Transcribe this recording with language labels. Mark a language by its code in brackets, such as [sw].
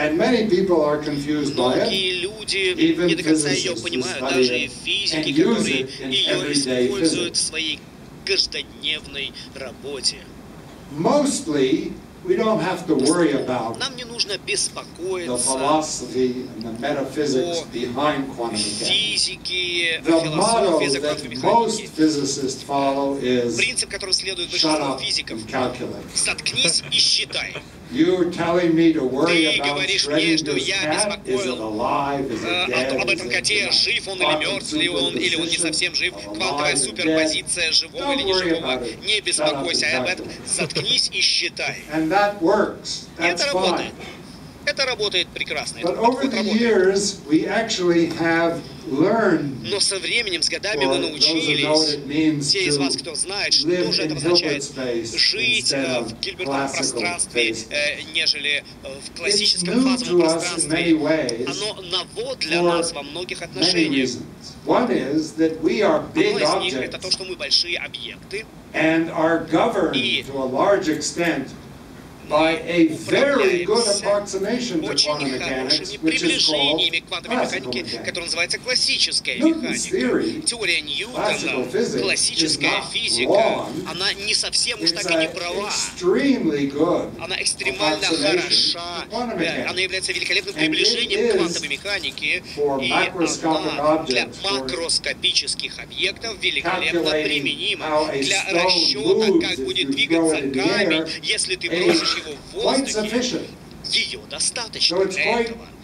[ru] Многие люди не до конца ее понимают, даже и физики, которые ее используют в своей каждодневной работе. [en] We don't have to worry about [ru] нам не нужно беспокоиться [en] the philosophy and the metaphysics behind quantum mechanics. [ru] Физики, [en] the motto that most physicists follow is [ru] принцип, который следует большинству физиков, заткнись и считай. [en] You're telling me to worry [ru] ты говоришь мне, что я беспокоен об этом коте, жив он или мертв ли он, или он не совсем жив, квантовая суперпозиция живого или неживого. Не беспокойся об этом, заткнись и считай. Это работает. Это работает прекрасно. [en] But over the years, we actually have learned, [ru] но со временем, с годами мы научились, те из вас, кто знает, что же это означает жить в гильбертовом пространстве, нежели в классическом фазовом пространстве. Оно ново для нас во многих отношениях. [en] One is that we are big objects, [ru] это то, что мы большие объекты, [en] and are governed to a large extent by a very good approximation to quantum mechanics, which is called [ru] механики, которая называется классическая механика. Теория Ньютона, классическая физика, она не совсем уж так и не права. Она экстремально хороша, она является великолепным приближением к квантовой механике, и она для макроскопических объектов великолепно применима для расчета, как будет двигаться камень, если ты бросишь его в воздухе, ее достаточно для этого.